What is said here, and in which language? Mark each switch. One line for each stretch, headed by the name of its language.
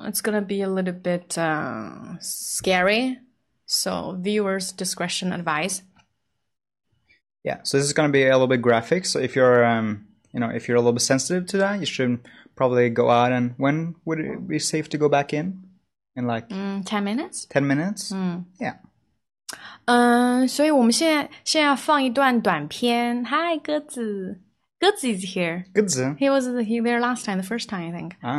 English: It's going to be a little bit scary. So viewers' discretion advice. Yeah, so this is going to be a little bit graphic. So if you're, if you're a little bit sensitive to that, you should probably go out. And when would it be safe to go back in? In like 10 minutes? 10 minutes? Mm. Yeah.
Chinese: 所以我们现在放一段短片。
English: Hi, 鸽子。鸽子 is here.
Chinese: 鸽子。
English: He was there last time, the first time, I think.